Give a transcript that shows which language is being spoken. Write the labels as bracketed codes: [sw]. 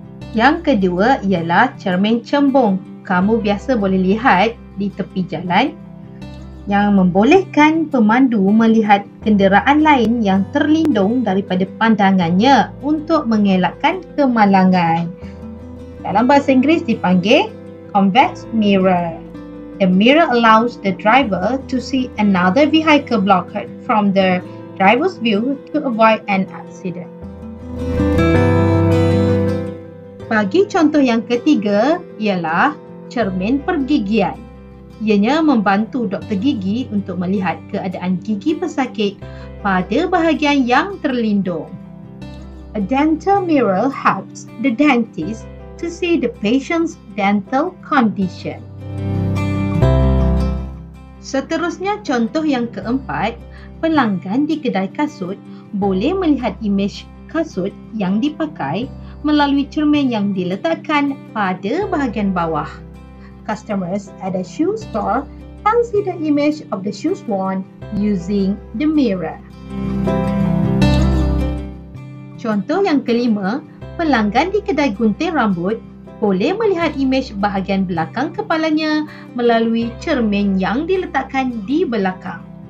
[ms] Yang kedua ialah cermin cembung. Kamu biasa boleh lihat di tepi jalan yang membolehkan pemandu melihat kenderaan lain yang terlindung daripada pandangannya untuk mengelakkan kemalangan. Dalam bahasa Inggeris dipanggil convex mirror. [en] The mirror allows the driver to see another vehicle blocked from the driver's view to avoid an accident. [ms] Bagi contoh yang ketiga ialah cermin pergigian. Ianya membantu doktor gigi untuk melihat keadaan gigi pesakit pada bahagian yang terlindung. [en] A dental mirror helps the dentist to see the patient's dental condition. [ms] Seterusnya, contoh yang keempat, pelanggan di kedai kasut boleh melihat imej kasut yang dipakai melalui cermin yang diletakkan pada bahagian bawah. [en] Customers at a shoe store can see the image of the shoes worn using the mirror. [ms] Contoh yang kelima, pelanggan di kedai gunting rambut boleh melihat imej bahagian belakang kepalanya melalui cermin yang diletakkan di belakang.